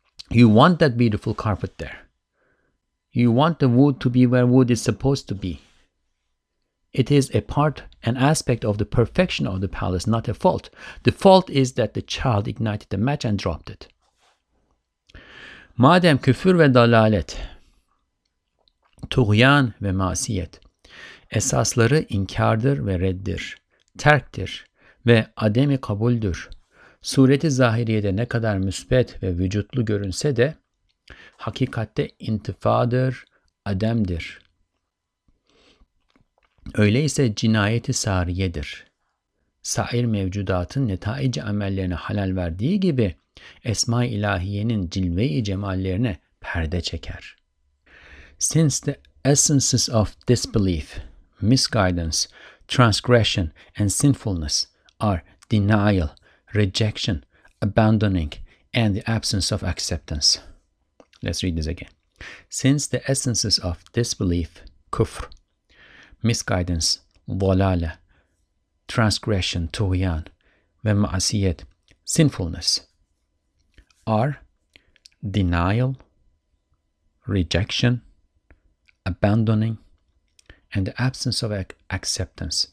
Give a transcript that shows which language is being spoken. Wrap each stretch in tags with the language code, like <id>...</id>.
<en>You want that beautiful carpet there. You want the wood to be where wood is supposed to be. It is a part, an aspect of the perfection of the palace, not a fault. The fault is that the child ignited the match and dropped it.</en> <tr>Madem küfür ve dalalet, tuğyan ve masiyet, esasları inkardır ve reddir, terktir ve ademi kabuldür. Sureti zahiriyede ne kadar müsbet ve vücutlu görünse de, hakikatte intifadır, ademdir. Öyleyse cinayeti sariyedir. Sair mevcudatın netaici amellerini halal verdiği gibi, Esma-i İlahiyenin cilve-i cemallerine perde çeker.</tr> <en>Since the essences of disbelief, misguidance, transgression and sinfulness are denial, rejection, abandoning and the absence of acceptance. Let's read this again. Since the essences of disbelief, kufr, misguidance, dalale, transgression,</en> <tr>tuğyan ve maasiyet,</tr> <en>sinfulness, are denial, rejection, abandoning, and the absence of acceptance.</en>